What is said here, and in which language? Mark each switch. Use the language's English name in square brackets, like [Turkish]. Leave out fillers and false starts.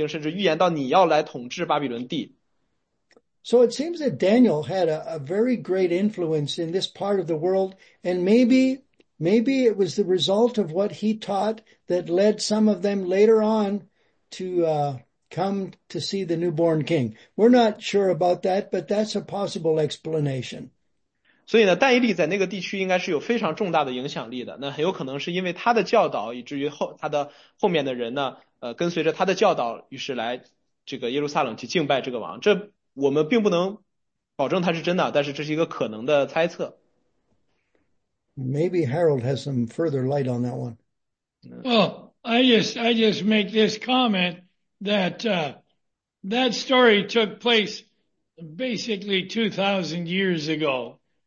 [Chinese] 应该不是希律王，应该是希腊，就是那个但以理时期的那个王啊，所以应该就是但以理给他的，然后甚至可能但以理给他解释过啊，在我们的旧约圣经甚至预言到你要来统治巴比伦地。 [English] So it seems that Daniel had a very great influence in this part of the world, and maybe it was the result of what he taught that led some of them later on to come to see the newborn king. We're not sure about that, but that's a possible explanation. [Chinese] 所以呢，但以理在那个地区应该是有非常重大的影响力的。那很有可能是因为他的教导，以至于后面的人呢，跟随着他的教导，于是来这个耶路撒冷去敬拜这个王。这我们并不能保证他是真的，但是这是一个可能的猜测。 [English] Maybe Harold has some further light on that one. Well, I just make this comment that that story took place basically 2,000 years ago.